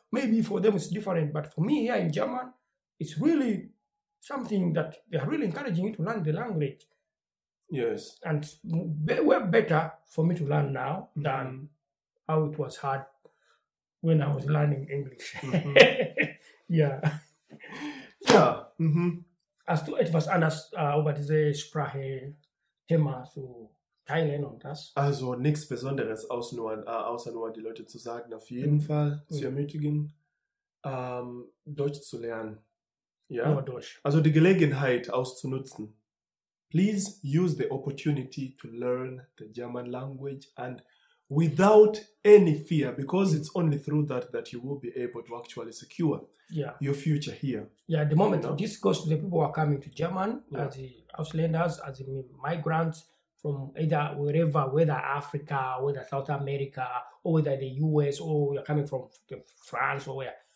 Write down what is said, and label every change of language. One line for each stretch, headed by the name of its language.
English: Maybe for them it's different. But for me here in German, it's really something that they're really encouraging you to learn the language. Yes. And way better for me to learn now, mm-hmm, than how it was hard when I was learning English. Mm-hmm. Yeah. Yeah. Mm-hmm. As to
German: etwas anders, über diese Sprache, Thema zu teilen und das. Also nichts Besonderes, außer nur die Leute zu sagen, auf jeden Fall zu ermutigen, Deutsch zu lernen. Ja? Nur Deutsch. Also die Gelegenheit auszunutzen.
English: Please use the opportunity to learn the German language and without any fear, because it's only through that you will be able to actually secure, yeah, your future here. Yeah, at the moment, you know? This goes to the people who are coming to German, yeah, as the Ausländers, as the migrants from either wherever, whether Africa, whether South America, or whether the US, or you're coming from France, or where.